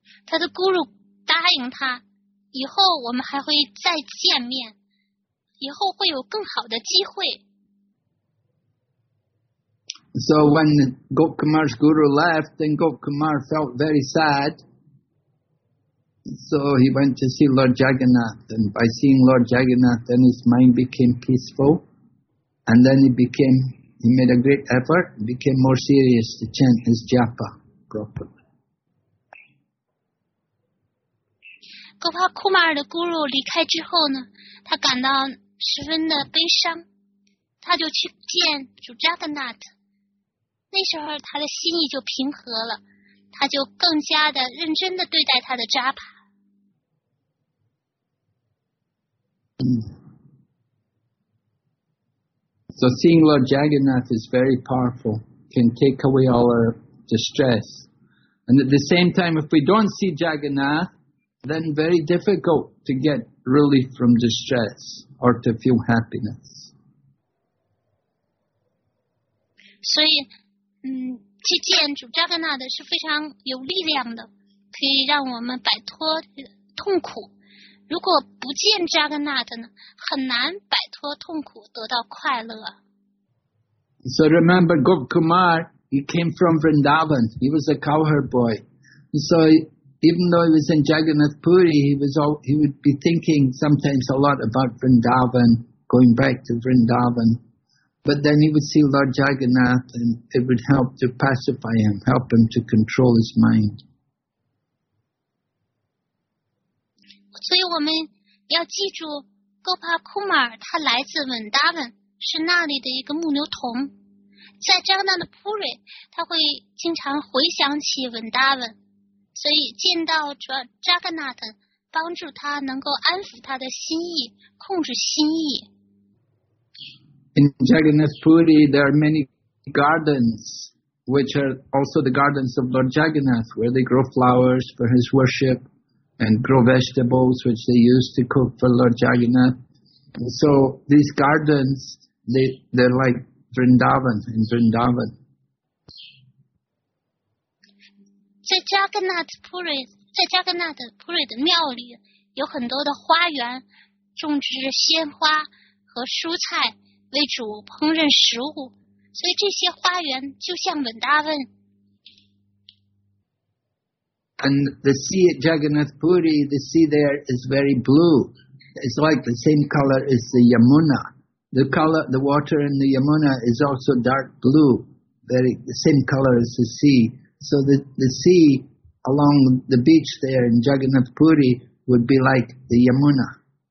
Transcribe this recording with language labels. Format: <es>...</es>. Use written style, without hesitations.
<zh>他的 guru 答应他，以后我们还会再见面，以后会有更好的机会。</zh> <en>So when Gop Kumar's guru left, then Gop Kumar felt very sad. So he went to see Lord Jagannath. And by seeing Lord Jagannath, then his mind became peaceful. And then he made a great effort, became more serious to chant his japa properly.</en> <zh>格帕库马尔的咕噜离开之后呢，他感到十分的悲伤，他就去见主扎格纳特。那时候他的心意就平和了，他就更加的认真的对待他的扎帕。</zh> <en>So seeing Lord Jagannath is very powerful, can take away all our distress. And at the same time, if we don't see Jagannath,then very difficult to get relief from distress or to feel happiness.</en> <zh>所以，去见主扎格纳的是非常有力量的，可以让我们摆脱痛苦。如果不见扎格纳的呢，很难摆脱痛苦，得到快乐。</zh> <en>So remember, Gop Kumar, he came from Vrindavan. He was a cowherd boy. So. Even though he was in Jagannath Puri, he would be thinking sometimes a lot about Vrindavan, going back to Vrindavan. But then he would see Lord Jagannath and it would help to pacify him, help him to control his mind.</en> <zh>所以我们要记住 Gopa Kumar, 他来自 Vrindavan, 是那里的一个牧牛童。在 Jagannath Puri, 他会经常回想起 Vrindavan。所以见到主扎格纳特，帮助他能够安抚他的心意，控制心意。</zh> <en>In Jagannath Puri, there are many gardens, which are also the gardens of Lord Jagannath, where they grow flowers for his worship, and grow vegetables which they use to cook for Lord Jagannath. So these gardens, they're like Vrindavan in Vrindavan.</en> <zh>在扎格纳特普瑞，在扎格纳特普瑞的庙里，有很多的花园，种植鲜花和蔬菜，为主烹饪食物。所以这些花园就像文达问。</zh> <en>And the sea at Jagannath Puri, the sea there is very blue. It's like the same color as the Yamuna. The color, the water in the Yamuna is also dark blue, very the same color as the sea. So the sea along the beach there in Jagannath Puri would be like the Yamuna.</en>